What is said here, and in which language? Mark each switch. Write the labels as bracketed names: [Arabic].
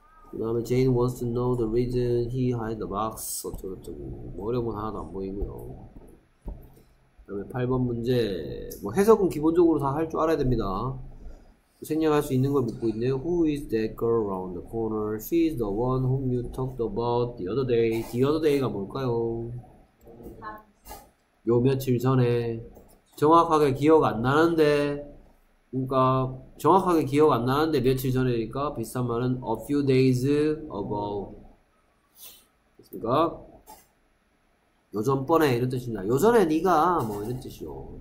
[Korean] 그 다음에 [English] Jane wants to know the reason he hid the box. [Korean] 어쩌고저쩌고 뭐 어려운 건 하나도 안 보이고요. 그 다음에 8번 문제. 뭐 해석은 기본적으로 다 할 줄 알아야 됩니다. 생략할 수 있는 걸 묻고 있네요. [English] Who is that girl around the corner? She's the one whom you talked about the other day. The other day [Korean] 가 뭘까요? 요 며칠 전에. 정확하게 기억 안 나는데. 그러니까 정확하게 기억 안 나는데 며칠 전이니까 비슷한 말은 [English] a few days ago. [Korean] 됐습니까? 요전번에 이런 뜻입니다. 요전에 네가 뭐 이런 뜻이요.